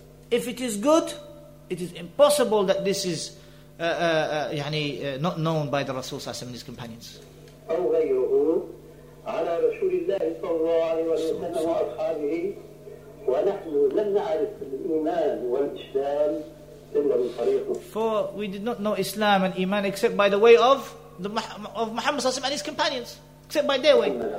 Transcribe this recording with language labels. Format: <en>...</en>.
<en>If it is good, it is impossible that this is not known by the Rasul Sallallahu Alaihi Wasallam and his companions.</en> <ar>أو غيره على رسول الله صلى الله عليه وسلم وأصحابه ونحن لم نعرف الإيمان والإسلام إلا من طريقه.</ar> <en>For we did not know Islam and Iman except by the way of the of Muhammad صلى الله عليه وسلم and his companions, except by their way.</en>